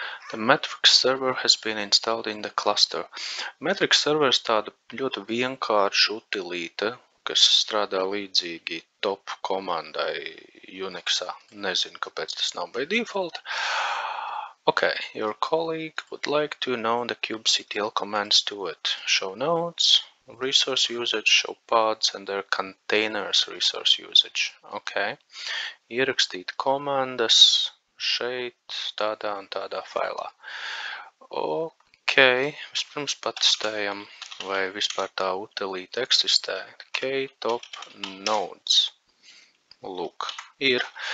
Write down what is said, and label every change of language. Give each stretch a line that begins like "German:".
English: The Matrix server has been installed in the cluster.
Latvian: Matrix server ir tāda ļoti vienkārša utilīte, kas strādā līdzīgi top komandai Unixā. Nezinu, kāpēc tas nav by default.
English: Ok, your colleague would like to know the kubectl commands to it. Show notes. Resource usage, show pods and their containers resource usage. Ok.
Latvian: Ierakstīt komandas šeit, tādā un tādā failā. Ok. Vispirms patestējam, vai vispār tā utilīte eksistē. Ktop nodes. Lūk. Ir.